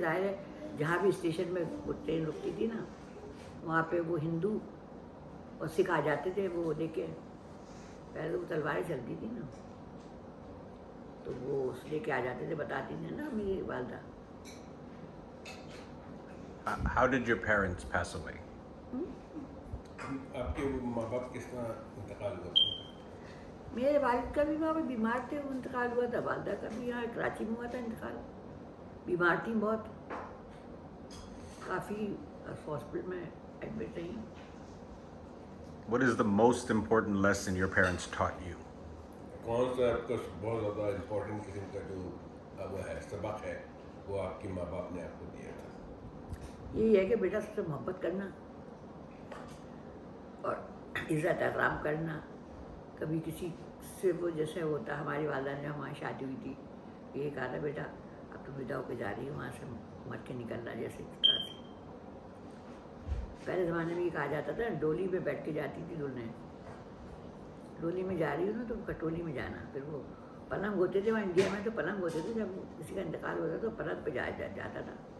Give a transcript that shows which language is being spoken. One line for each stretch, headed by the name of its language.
Hindi: जाहिर है जहाँ भी स्टेशन में वो ट्रेन रुकती थी ना वहाँ पे वो हिंदू और सिख आ जाते थे, वो लेके पहले वो तलवारें चलती थी ना तो वो उस लेके आ जाते थे, बताती थी ना मेरी वालदा।
English: How did your parents pass away?
Hindi: आपके माँ बाप किस तरह इंतकाल हुआ? मेरे वालिद का भी वहाँ पर बीमार थे इंतकाल हुआ था, वालदा का भी यहाँ कराची में हुआ था इंतकाल, बीमार थी बहुत काफ़ी, हॉस्पिटल में एडमिट रही।
English: What is the most important lesson your parents taught you?
Hindi: कौन सा आपका बहुत ज़्यादा इम्पोर्टेंट किस्म का जो वो है सबक है वो आपके माँ बाप ने आपको दिया था? यही है कि बेटा सबसे मोहब्बत करना और इज्जत आराम करना। कभी किसी से वो जैसे होता हमारी वालदा ने हमारी शादी हुई थी ये कहा था बेटा अब तो विदा होकर जा रही है वहाँ से मर के निकलना, जैसे इस तरह से पहले ज़माने में ये कहा जाता था डोली पे बैठ के जाती थी दुल्हन, डोली में जा रही हो ना तो कटोली में जाना, फिर वो पलंग होते थे वहाँ इंडिया में तो पलंग होते थे, जब किसी का इंतकाल होता था तो पलंग पर जाता था।